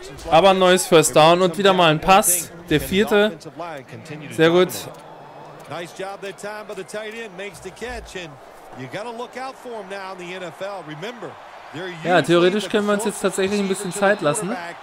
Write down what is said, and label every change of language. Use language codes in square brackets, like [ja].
[de] Aber ein neues First Down und wieder mal ein Pass. Der vierte. Sehr gut. [en] Nice job that time, but the tight end makes the catch, and you gotta look out for him now in the NFL. Remember. [de] Ja, theoretisch können wir uns jetzt tatsächlich ein bisschen Zeit lassen.